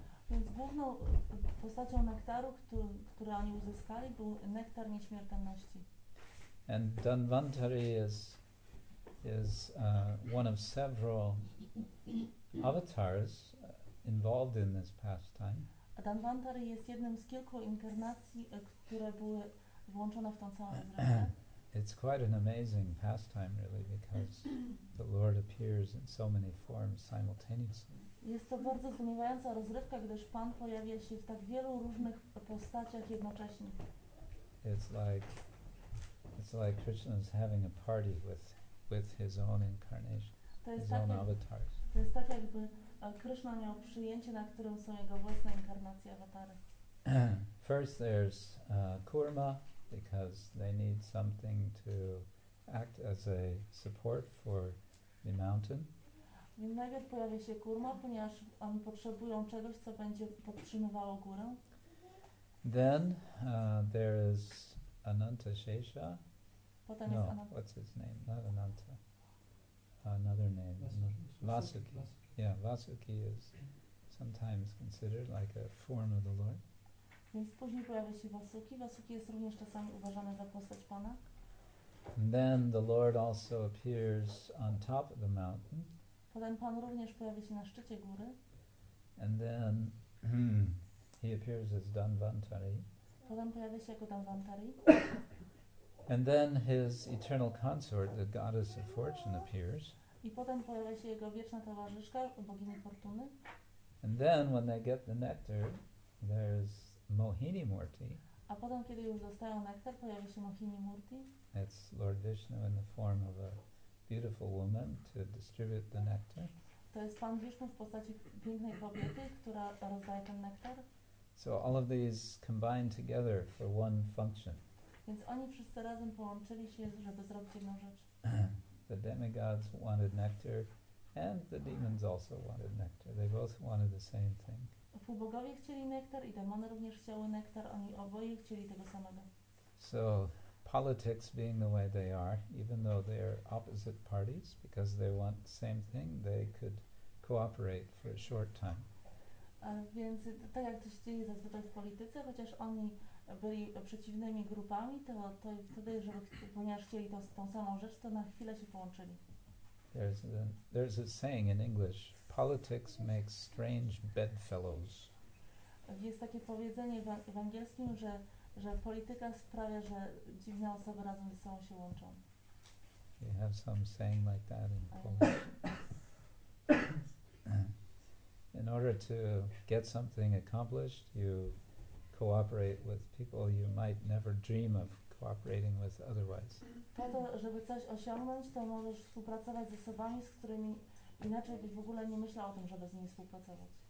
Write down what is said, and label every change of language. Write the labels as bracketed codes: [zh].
[pl] Więc główną postacią nektaru, który oni uzyskali, był nektar nieśmiertelności. [en] And Dhanvantari is one of several avatars involved in this pastime. [pl] A Dhanvantari jest jednym z kilku inkarnacji, które były włączone w tą całą grę. [en] It's quite an amazing pastime, really, because the Lord appears in so many forms simultaneously. [pl] Jest to bardzo zdumiewająca rozrywka, gdyż Pan pojawia się w tak wielu różnych postaciach jednocześnie. [en] It's like Krishna is having a party with his own incarnation, own avatars. [pl] To jest tak, jakby Krishna miał przyjęcie, na którym są jego własne inkarnacje, awatary. [en] First there's Kurma, because they need something to act as a support for the mountain. [pl] Więc najpierw pojawia się Kurma, ponieważ oni potrzebują czegoś, co będzie podtrzymywało górę. [en] Then there is Ananta Shesha. [pl] Potem no, jest Ananta. [en] What's his name? Not Ananta. Another name. Vasuki. Yeah, Vasuki is sometimes considered like a form of the Lord. [pl] Więc później pojawia się Vasuki. Vasuki jest również czasami uważany za postać Pana. [en] And then the Lord also appears on top of the mountain. [pl] Potem Pan również pojawia się na szczycie góry. [en] And then he appears as Dhanvantari. [pl] Potem pojawia się jako Dhanvantari. [en] And then his eternal consort, the goddess of fortune, appears. [pl] I potem pojawia się jego wieczna towarzyszka, bogini fortuny. [en] And then when they get the nectar, there's Mohini Murti. [pl] A potem, kiedy już dostają nektar, pojawia się Mohini Murti. [en] It's Lord Vishnu in the form of a beautiful woman to distribute the nectar. [pl] To jest Pan Vishnu w postaci pięknej kobiety, która rozdaje ten nektar. [en] So all of these combined together for one function. [pl] Więc oni wszyscy razem połączyli się, żeby zrobić jedną rzecz. [en] The demigods wanted nectar, and the demons also wanted nectar. They both wanted the same thing. [pl] Półbogowie chcieli nektar i demony również chciały nektar. Oni oboje chcieli tego samego. [en] So, politics being the way they are, even though they are opposite parties, because they want the same thing, they could cooperate for a short time. [pl] Więc tak jak to się dzieje zazwyczaj w polityce, chociaż oni byli przeciwnymi grupami, to wtedy, ponieważ chcieli tą samą rzecz, to na chwilę się połączyli. [en] There's a saying in English. Politics makes strange bedfellows. [pl] Jest takie powiedzenie w angielskim, że polityka sprawia, że dziwne osoby razem ze sobą się łączą. [en] You have some saying like that in Polish. In order to get something accomplished, you cooperate with people you might never dream of cooperating with otherwise. [pl] Po to, żeby coś osiągnąć, to możesz współpracować z osobami, z którymi inaczej byś w ogóle nie myślał o tym, żeby z nimi współpracować.